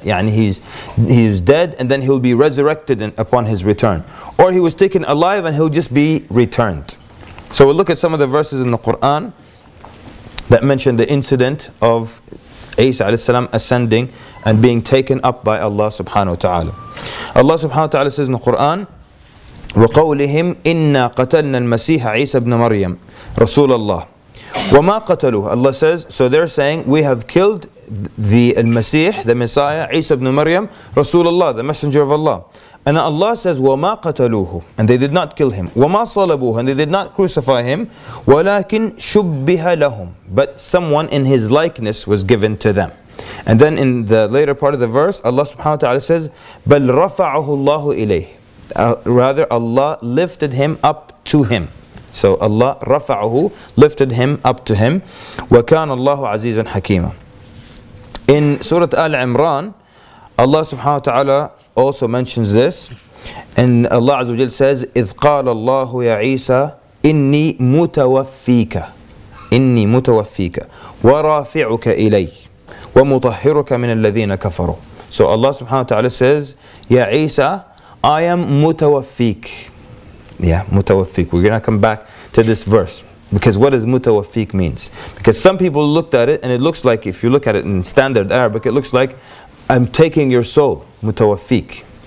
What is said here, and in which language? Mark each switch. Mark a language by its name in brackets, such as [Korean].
[Arabic] يعني [English] he's dead and then he'll be resurrected upon his return, or he was taken alive and he'll just be returned. So we'll look at some of the verses in the Quran that mention the incident of Isa alayhi salam ascending and being taken up by Allah subhanahu wa ta'ala. Allah subhanahu wa ta'ala says in the Quran, [Arabic] وقولهم إنا قتلنا المسيح عيسى بن مريم رسول الله وما قتلوه. [English] Allah says, so they're saying, we have killed the Messiah, the Messiah, Isa ibn Maryam, Rasulullah, the Messenger of Allah. And Allah says, [Arabic] وَمَا قَتَلُوهُ, [English] and they did not kill him. [Arabic] وَمَا صَلَبُوهُ, [English] and they did not crucify him. [Arabic] وَلَكِنْ شُبِّهَ لَهُمْ, [English] but someone in his likeness was given to them. And then in the later part of the verse, Allah subhanahu wa ta'ala says, [Arabic] بَلْ رَفَعَهُ اللَّهُ إِلَيْهِ, [English] rather Allah lifted him up to him. So Allah [Arabic] رفعه, [English] lifted him up to him. [Arabic] وَكَانَ اللَّهُ عَزِيزًا حَكِيمًا. [English] In Surah Al-Imran, Allah subhanahu wa ta'ala also mentions this. And Allah Azza wa Jalla says, [Arabic] إِذْ قَالَ اللَّهُ يَا عِيسَى إِنِّي مُتَوَفِّيكَ إِنِّي مُتَوَفِّيكَ وَرَافِعُكَ إِلَيْهِ وَمُطَهِّرُكَ مِنَ الَّذِينَ كَفَرُوا. [English] So Allah subhanahu wa ta'ala says, [Arabic] يَا عِيسَى, [English] I am [Arabic] مُتَوَفِّيكَ. [English] Yeah, mutawafiq. We're going to come back to this verse. Because what does mutawafiq means? Because some people looked at it, and it looks like, if you look at it in standard Arabic, it looks like, I'm taking your soul, mutawafiq.